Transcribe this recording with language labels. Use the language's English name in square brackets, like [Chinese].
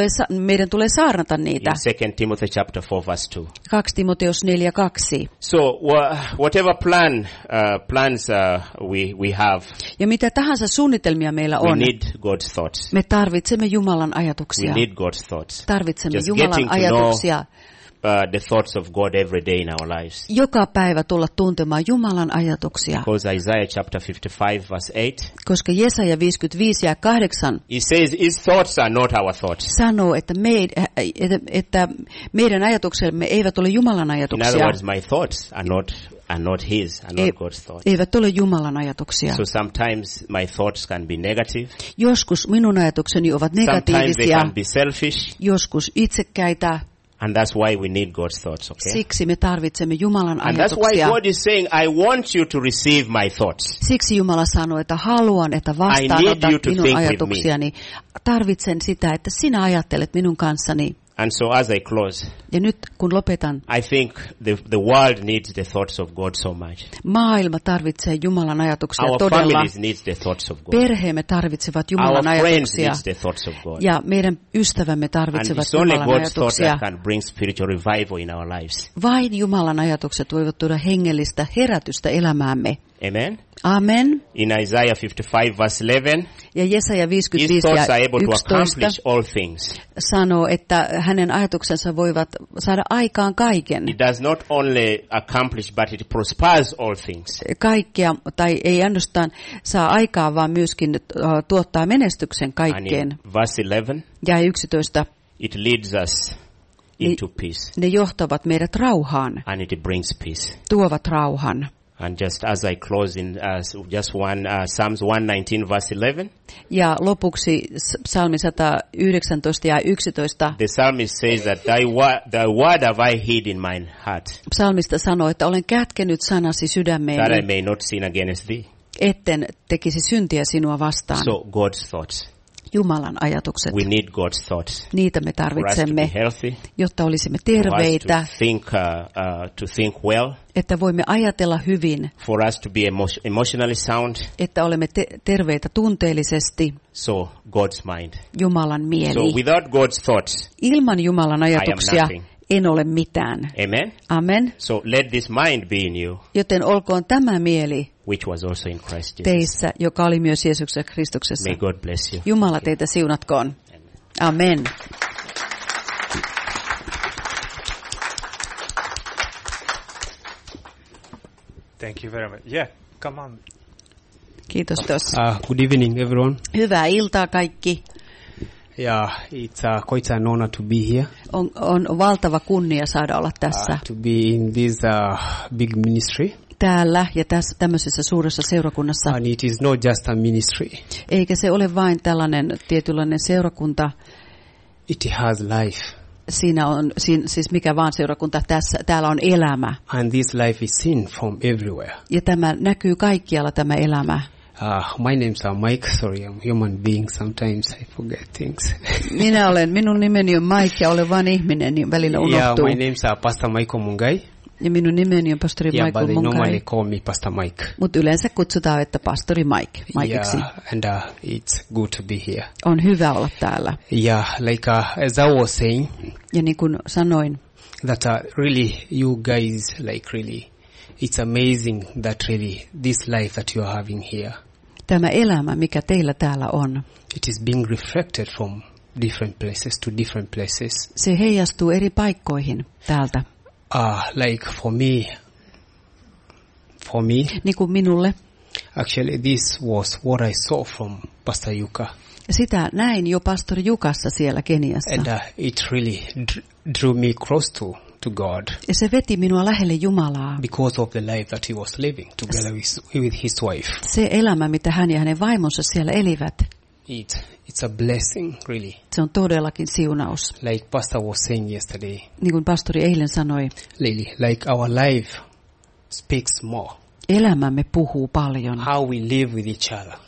[Finnish] Meidän tulee saarnata niitä. [English] In 2 Timothy chapter 4 verse 2. [Finnish] 2 Timoteus 4 2. [English] So whatever plans we have. [Finnish] Ja mitä tahansa suunnitelmia meillä on. [English] We need God's thoughts. [Finnish] Me tarvitsemme Jumalan ajatuksia. [English] We need God's thoughts. [Finnish] Tarvitsemme [English] just [Finnish] Jumalan ajatuksia. [English] The thoughts of God every day in our lives. [Finnish] Joka päivä tulla tuntemaan Jumalan ajatuksia. [English] Because Isaiah chapter 55 verse 8. [Finnish] Koska Jesaja 55 ja 8. [English] He says his thoughts are not our thoughts. [Finnish] Sanoo, että meidän ajatuksemme eivät ole Jumalan ajatuksia. [English] In other words, my thoughts are not his, are not God's thoughts. [Finnish] Eivät ole Jumalan ajatuksia. [English] So sometimes my thoughts can be negative. [Finnish] Joskus minun ajatukseni ovat negatiivisia. [English] Sometimes they can be selfish. [Finnish] Joskus itsekkäitä. [English] And that's why we need God's thoughts, okay? [Finnish] Siksi me tarvitsemme Jumalan ajatuksia. [English] And that's why God is saying, I want you to receive my thoughts. [Finnish] Siksi Jumala sanoo, että haluan, että vastaanotat minun ajatuksiani. Tarvitsen sitä, että sinä ajattelet minun kanssani. [English] And so as I close, [Finnish] ja nyt kun lopetan, [English] I think the world needs the thoughts of God so much. [Finnish] Maailma tarvitsee Jumalan ajatuksia [English] our [Finnish] todella. [English] Families need the thoughts of God. [Finnish] Perheemme tarvitsevat Jumalan [English] our [Finnish] ajatuksia. [English] Our friends need the thoughts of God. [Finnish] Ja meidän ystävämme tarvitsevat [English] and [Finnish] Jumalan [English] God's [Finnish] ajatuksia. [English] That can bring spiritual revival in our lives. [Finnish] Vain Jumalan ajatukset voivat tuoda hengellistä herätystä elämäämme. [English] Amen. [Finnish] Amen. [English] In Isaiah 55 verse 11. [Finnish] Ja Jesaja 55 ja 11 sanoo, että hänen ajatuksensa voivat saada aikaan kaiken. [English] It does not only accomplish, but it prospers all things. [Finnish] Kaikkea, tai ei ainoastaan saa aikaa, vaan myöskin tuottaa menestyksen kaikkeen. [English] Verse 11. [Finnish] Ja 11. [English] It leads us into peace. [Finnish] Ne johtavat meidät rauhaan. [English] And it brings peace. [Finnish] Tuovat rauhan. [English] And just as I close in just one Psalms 119 verse 11. [Finnish] Ja lopuksi Psalmi 119 ja 11. [English] The psalmist says that thy word have I hid in mine heart. [Finnish] Psalmista sanoo, että olen kätkenyt sanasi sydämeeni. [English] That I may not sin against thee. [Finnish] Etten tekisi syntiä sinua vastaan. [English] So God's thoughts. [Finnish] Jumalan ajatukset. [English] We need God's thoughts. [Finnish] Niitä me tarvitsemme, [English] healthy, [Finnish] jotta olisimme terveitä. [English] To think well. [Finnish] Että voimme ajatella hyvin. [English] For us to be emotionally sound. [Finnish] Että olemme terveitä tunteellisesti. [English] So God's mind. [Finnish] Jumalan mieli. [English] So without God's thoughts. [Finnish] Ilman Jumalan ajatuksia. [English] I am nothing. [Finnish] En ole mitään. [English] Amen. [Finnish] Amen. [English] So let this mind be in you. [Finnish] Joten olkoon tämä mieli. [English] Which was also in Christ Jesus. [Finnish] Teissä, joka oli myös Jeesuksessa Kristuksessa. [English] May God bless you. [Finnish] Jumala teitä siunatkoon. [English] Amen. Thank you very much. Yeah, come on. [Finnish] Kiitos tos. [English] Good evening everyone. [Finnish] Hyvää iltaa kaikki. [English] Yeah, it's quite an honor to be here. [Finnish] On valtava kunnia saada olla tässä. [English] To be in this big ministry. [Finnish] Täällä ja tässä tämmöisessä suuressa seurakunnassa. [English] And it is not just a ministry. [Finnish] Eikä se ole vain tällainen tietynlainen seurakunta. [English] It has life. [Finnish] Siinä on siis mikä vaan seurakunta tässä, täällä on elämä. [English] And this life is seen from everywhere. [Finnish] Ja tämä näkyy kaikkialla tämä elämä. [English] My name is Mike. Sorry, I'm human being. Sometimes I forget things. [Finnish] Minä olen. Minun nimeni on Mike ja olen vain ihminen, niin välillä unohtuu. [English] Yeah, my name is Pastor Michael Mungai. [Finnish] Ja minun nimeni on pastori [English] yeah, Michael Munkari. Normally call me Pastor Mike. [Finnish] Mut yleensä kutsutaan, että pastori Mike, Mikeksi. [English] Yeah, and it's good to be here. [Finnish] On hyvä olla täällä. [English] Yeah, like as I was saying. [Finnish] Ja niin kuin sanoin. [English] That really you guys like really, it's amazing that really this life that you are having here. [Finnish] Tämä elämä, mikä teillä täällä on. [English] It is being reflected from different places to different places. [Finnish] Se heijastuu eri paikkoihin täältä. [English] Like for me. [Finnish] Niin kuin minulle. [English] Actually, this was what I saw from Pastor Yuka. [Finnish] Sitä näin jo pastori Jukassa siellä Keniassa. [English] And it really drew me close to God. [Finnish] Ja se veti minua lähelle Jumalaa. [English] Because of the life that he was living together with his wife. [Finnish] Se elämä, mitä hän ja hänen vaimonsa siellä elivät. [English] It's a blessing, really. [Finnish] Se on todellakin siunaus. [English] Like Pastor was saying yesterday. [Finnish] Niin kuin pastori eilen sanoi. [English] Lily, like our life speaks more. [Finnish] Elämämme puhuu paljon. [English] How we live with each other.